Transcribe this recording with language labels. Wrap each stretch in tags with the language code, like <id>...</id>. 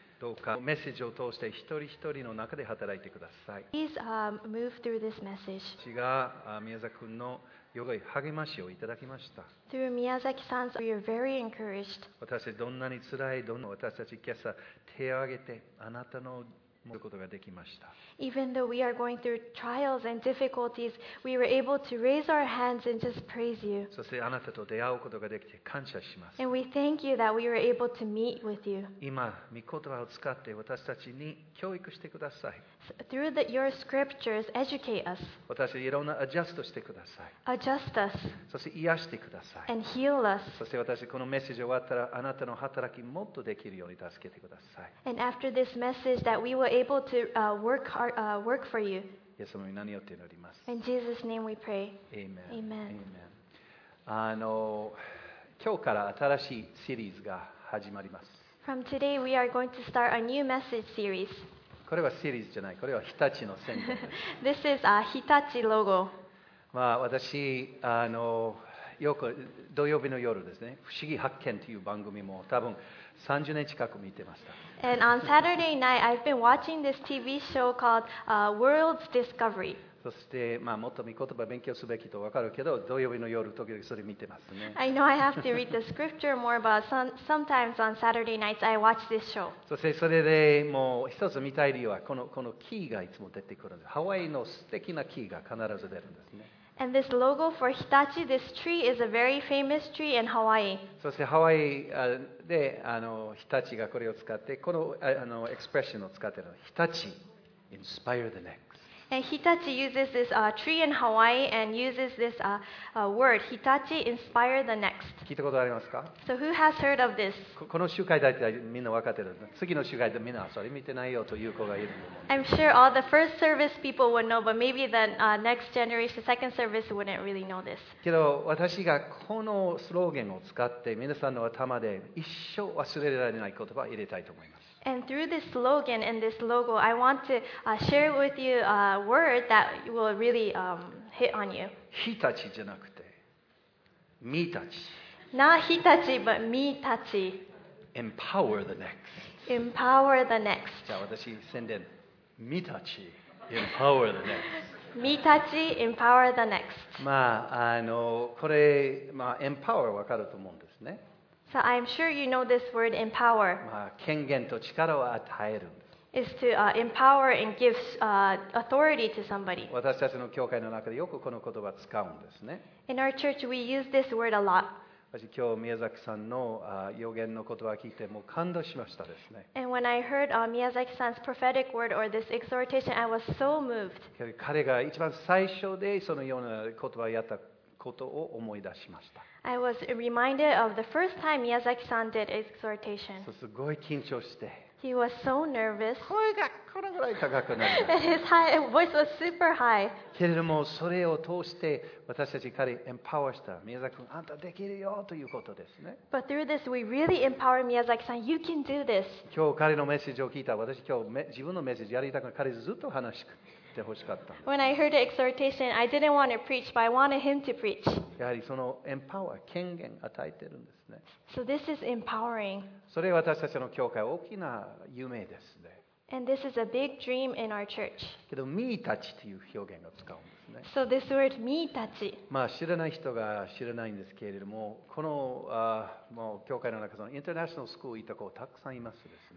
<ja>どうかメッセージを通して一人一人の中で働いてください。</ja> <en>Please move through this message.</en> <ja>私が宮崎君の良い励ましをいただきました。</ja> <en>Through Miyazaki san, we are very encouraged.</en> <ja>私たちどんなに辛い、どんな私たち今朝手を挙げてあなたのことができました。</ja> <en>Even though we are going through trials and difficulties, we were able to raise our hands and just praise you.</en> <ja>そしてあなたと出会うことができて感謝します。</ja> <en>And we thank you that we were able to meet with you.</en> <ja>今、御言葉を使って私たちに教育してください。</ja> <en>Through the, your scriptures, educate us.</en> <ja>私たちいろんなアジャストしてください。</ja> <en>Adjust us.</en> <ja>そして癒してください。</ja> <en>And heal us.</en> <ja>そして私このメッセージ終わったらあなたの働きもっとできるように助けてください。</ja> <en>And after this message that we will able to work for you.</en> <ja>イエス様に何よって祈ります。</ja> <en>In Jesus' name we pray. Amen. Amen. Amen.</en> <ja>今日から新しいシリーズが始まります。</ja> <en>From today we are going to start a new message series.</en> <ja>これはシリーズじゃない。これは日立の宣伝です。</ja> <en>This is a Hitachi logo.</en> <ja>まあ私よく土曜日の夜ですね、不思議発見という番組も多分30年近く見てました。</ja> <en>And on Saturday night, I've been watching this TV show called World's Discovery.</en> <ja>そして、まあ、もっと御言葉を勉強すべきと分かるけど、土曜日の夜、時々それ見てますね。</ja> <en>I know I have to read the scripture more, but sometimes on Saturday nights, I watch this show.</en> <ja>そしてそれでもう一つ見たい理由はこのキーがいつも出てくるんです。ハワイの素敵なキーが必ず出るんですね。</ja> <en>And this logo for Hitachi, this tree is a very famous tree in Hawaii.</en> <ja>そしてハワイで Hitachi がこれを使ってこの expression を使っているの。</ja> <en>Hitachi inspire the next. And Hitachi uses this tree in Hawaii and uses this word Hitachi inspire the next.</en> <ja>聞いたことありますか？</ja> <en>So who has heard of this?</en> <ja>この集会だってみんな分かってる。次の集会でみんなそれ見てないよという子がいる。</ja> <en>I'm sure all the first service people would know, but maybe the next generation, second service wouldn't really know this.</en> <ja>けど私がこのスローゲンを使って皆さんの頭で一生忘れられない言葉を入れたいと思います。</ja> <en>And through this slogan and this logo, I want to share with you a word that will really hit on you.</en> <ja>Hitachi じゃなくて、Mitachi.</ja> <en>Not Hitachi, but Mitachi. Empower the next. Empower the next.</en> <ja>じゃあ私宣伝、Mitachi.</ja> <en>Empower the next. Mitachi, empower the next.</en> <ja>まあこれまあ empower わかると思うんですね。</ja> <en>So I'm sure you know this word empower.</en> <ja>まあ権限と力を与えるんです。</ja> <en>Is to empower and give authority to somebody.</en> <ja>私たちの教会の中でよくこの言葉使うんですね。</ja> <en>In our church we use this word a lot.</en> <ja>私今日宮崎さんの予言の言葉を聞いてもう感動しましたですね。</ja> <en>And when I heard Miyazaki-san's prophetic word or this exhortation, I was so moved.</en> <ja>彼が一番最初でそのような言葉をやったことを思い出しました。</ja> <en>I was reminded of the first time Miyazaki-san did exhortation.</en> <ja>すごい緊張して。</ja> <en>He was so nervous.</en> <ja>声がこのぐらい高くなる。</ja> <en>And his voice was super high.</en> <ja>けれどもそれを通して私たち彼エンパワーした宮崎君あんたできるよということですね。</ja> <en>But through this, we really empower Miyazaki-san. You can do this.</en> <ja>今日彼のメッセージを聞いた私今日自分のメッセージやりたくない彼ずっと話して。</ja> <en>When I heard the exhortation, I didn't want to preach, but I wanted him to preach.</en> <ja>やはりそのエンパワー、権限与えてるんですね。</ja> <en>So this is empowering.</en> <ja>それは私たちの教会大きな夢ですね。</ja> <en>And this is a big dream in our church.</en> <ja>けど、ミーたちという表現を使うんですね。</ja> <en>So this word, ミーたち。</en> <ja>まあ知らない人が知らないんですけれども、このもう教会の中そのインターナショナルスクール行った子たくさんいますですね。</ja>